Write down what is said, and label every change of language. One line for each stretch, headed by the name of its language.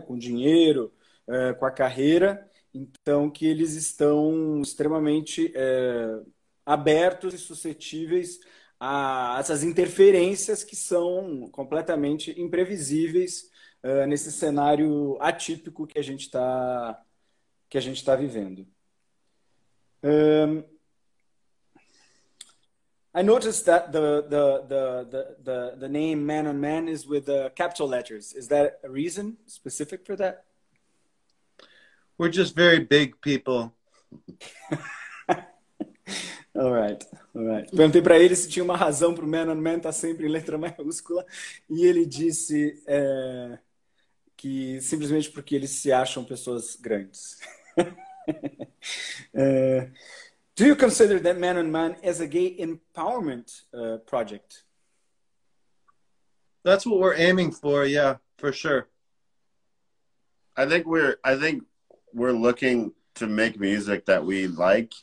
Portuguese: Com o dinheiro, com a carreira. Então, que eles estão extremamente abertos e suscetíveis a essas interferências que são completamente imprevisíveis nesse cenário atípico que a gente está vivendo.
English: I noticed that the name Man on Man is with capital letters. Is that a reason specific for that? We're just very big people. All right.
Portuguese: Perguntei para ele se tinha uma razão para o Man on Man estar sempre em letra maiúscula, e ele disse que simplesmente porque eles se acham pessoas grandes.
English: Do you consider that Man on Man as a gay empowerment project? That's what we're aiming for, yeah, for sure. I think we're looking to make music that we like.